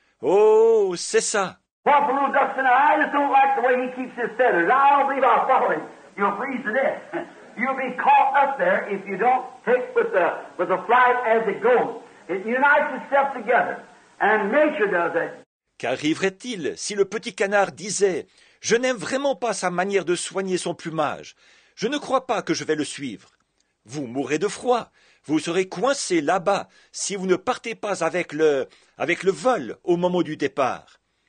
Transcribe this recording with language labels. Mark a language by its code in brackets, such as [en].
[fr] Oh, c'est ça. [en] Well, for little ducks in there, I just don't like the way he keeps his feathers. I don't believe I'll follow him. You'll freeze to death. You'll be caught up there if you don't take with the flight as it goes. It unites itself together. And nature does it. [fr] Qu'arriverait-il si le petit canard disait « Je n'aime vraiment pas sa manière de soigner son plumage. Je ne crois pas que je vais le suivre. Vous mourrez de froid. Vous serez coincé là-bas si vous ne partez pas avec le vol au moment du départ.